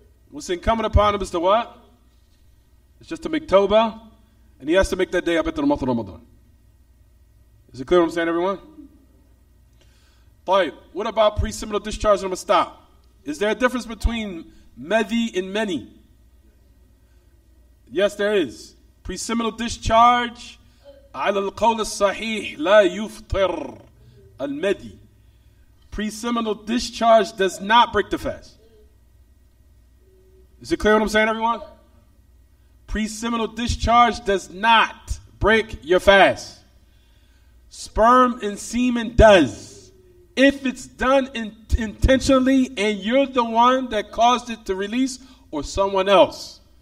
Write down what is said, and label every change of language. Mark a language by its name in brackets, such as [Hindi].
[English] What's incumbent upon him is to what? It's just to make tawbah, and he has to make that day up into the month of Ramadan. Is it clear what I'm saying, everyone? طيب, what about pre-seminal discharge and mastah? Is there a difference between madhi and many? Yes, there is. Pre-seminal discharge, [Arabic] على القول الصحيح لا يفطر المدي. [English] Pre-seminal discharge does not break the fast. Is it clear what I'm saying, everyone? Pre-seminal discharge does not break your fast. Sperm and semen does. If it's done intentionally and you're the one that caused it to release or someone else.